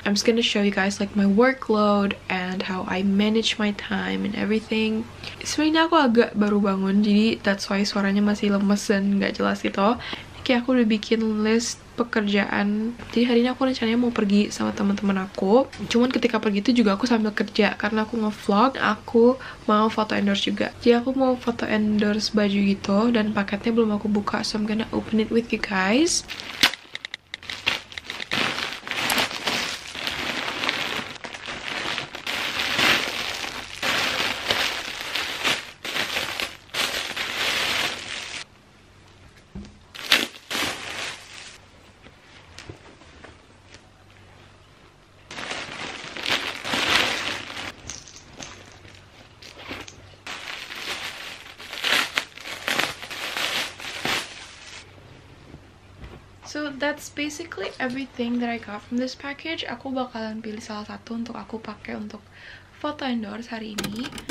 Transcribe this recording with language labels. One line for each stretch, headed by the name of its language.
English: I'm just gonna show you guys like my workload and how I manage my time and everything.
Indonesian: Sebenarnya aku agak baru bangun, jadi
English: that's why
Indonesian: suaranya masih lemes dan gak jelas gitu. Kayak aku udah bikin list pekerjaan. Jadi hari ini aku rencananya mau pergi sama teman-teman aku. Cuman ketika pergi itu juga aku sambil kerja karena aku nge-vlog, aku mau foto endorse juga. Jadi aku mau foto endorse baju gitu dan paketnya belum aku buka,
English: so I'm gonna open it with you guys. So that's basically everything that I got from this package.
Indonesian: Aku bakalan pilih salah satu untuk aku pakai untuk foto endorse hari ini.